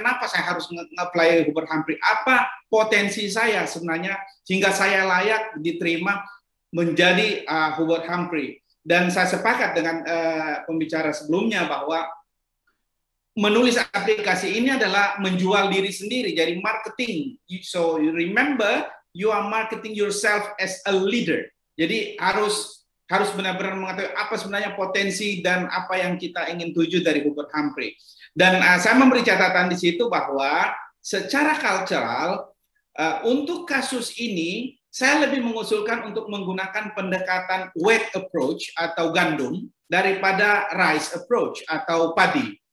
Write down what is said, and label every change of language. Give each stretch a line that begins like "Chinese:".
Indonesian: Kenapa saya harus nge-apply Hubert Humphrey? Apa potensi saya sebenarnya hingga saya layak diterima menjadi Hubert Humphrey? Dan saya sepakat dengan pembicara sebelumnya bahwa menulis aplikasi ini adalah menjual diri sendiri, jadi marketing.
English: So remember, you are marketing yourself as a leader.
Indonesian: Jadi harus benar-benar mengetahui apa sebenarnya potensi dan apa yang kita ingin tuju dari Hubert Humphrey. Dan saya memberi catatan di situ bahwa secara cultural, untuk kasus ini, saya lebih mengusulkan untuk menggunakan pendekatan wet approach atau gandum daripada rice approach atau padi.